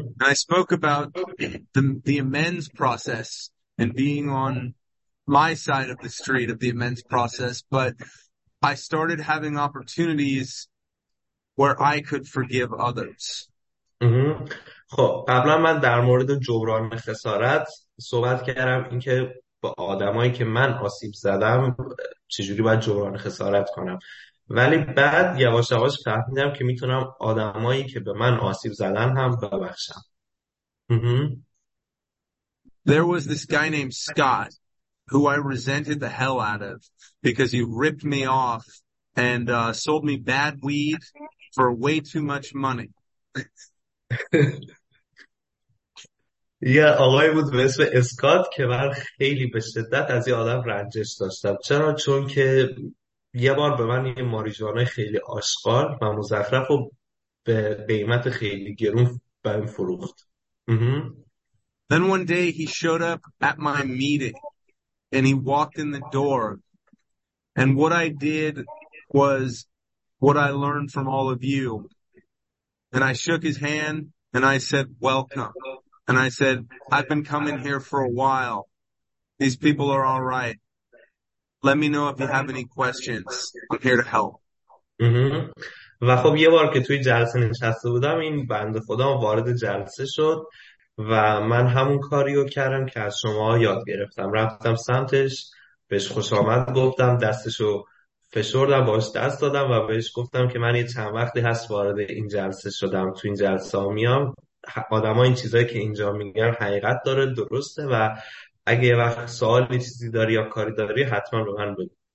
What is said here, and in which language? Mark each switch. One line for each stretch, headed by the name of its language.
English: I spoke about the amends process and being on my side of the street of the amends process, but I started having opportunities where I could forgive others.
Persian: خب قبلا من در مورد جبران خسارت صحبت کردم، اینکه با آدمایی که من آسیب زدم چجوری باید جبران خسارت کنم، ولی بعد یواش یواش فهمیدم که میتونم آدمایی که به من آسیب زدن هم ببخشم.
English: There was this guy named Scott who I resented the hell out of because he ripped me off and sold me bad weed for way too much money.
Persian: یه آقای بود به اسم اسکات که من خیلی به شدت از این آدم رنجش داشتم. چرا؟ چون که یه بار به من یه ماریجوانای خیلی آشغال و مزخرف رو به قیمت خیلی گرون به این فروخت.
English: Then one day he showed up at my meeting and he walked in the door. And what I did was what I learned from all of you. And I shook his hand and I said, welcome. And I said, I've been coming here for a while. These people are all right. Let me know if you have any questions. I'm here to help.
Persian: و خب یه بار که توی جلسه نشسته بودم، این بنده خدا وارد جلسه شد و من همون کاریو کردم که از شما یاد گرفتم. رفتم سمتش، بهش خوش آمد گفتم، دستشو فشردم، باش دست دادم و بهش گفتم که من یه چند وقتی هست وارد این جلسه شدم، تو این جلسه ها میام، آدم ها این چیزایی که اینجا میگن حقیقت داره، درسته، و اگه یه وقت سوالی چیزی داری یا کاری داری حتما رو من بگو.